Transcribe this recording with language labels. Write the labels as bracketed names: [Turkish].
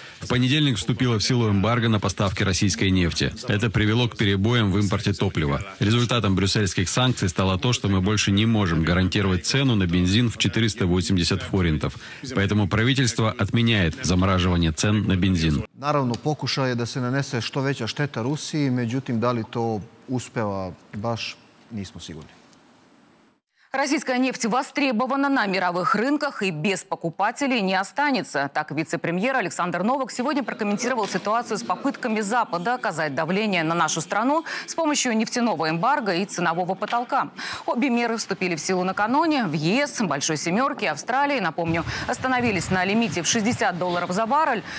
[Russian] В понедельник вступило в силу эмбарго на поставки российской нефти. Это привело к перебоям в импорте топлива. Результатом брюссельских санкций стало то, что мы больше не можем гарантировать цену на бензин в 480 форинтов. Поэтому правительство отменяет замораживание цен на бензин. [Serbian] Наравно, покушает да се нанесе что веча штета Руси, međutim, да ли то успева, баш нисмо сигурни. [Russian] Российская нефть востребована на мировых рынках и без покупателей не останется. Так вице-премьер Александр Новак сегодня прокомментировал ситуацию с попытками Запада оказать давление на нашу страну с помощью нефтяного эмбарго и ценового потолка. Обе меры вступили в силу накануне. В ЕС, Большой Семерке, Австралии, напомню, остановились на лимите в $60 за баррель.